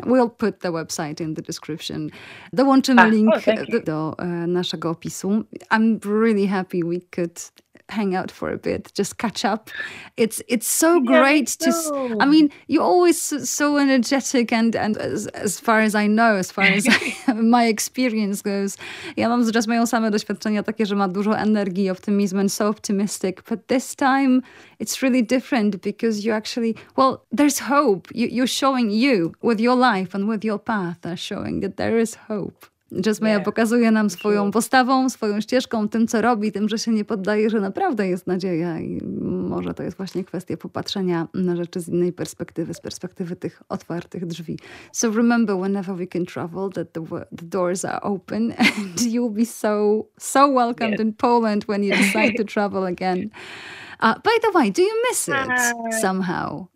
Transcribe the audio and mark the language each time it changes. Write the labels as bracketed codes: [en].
[en] We'll put the website in the description. [pl] Dołączymy link do naszego opisu. [en] I'm really happy we could hang out for a bit, just catch up. It's so great to... I mean, you're always so energetic and as far as I know, as far as my experience goes. [pl] Ja mam z Jasmine same doświadczenia takie, że ma dużo energii, optimizmu [en] and so optimistic. But this time, it's really different because you actually... Well, there's hope. You're showing you with your life and with your path are showing that there is hope. Jasmine yeah. [pl] pokazuje nam swoją postawą, swoją ścieżką, tym, co robi, tym, że się nie poddaje, że naprawdę jest nadzieja i może to jest właśnie kwestia popatrzenia na rzeczy z innej perspektywy, z perspektywy tych otwartych drzwi. [en] So remember, whenever we can travel, that the doors are open and you'll be so, so welcomed yes. in Poland when you decide to travel again. By the way, do you miss it somehow?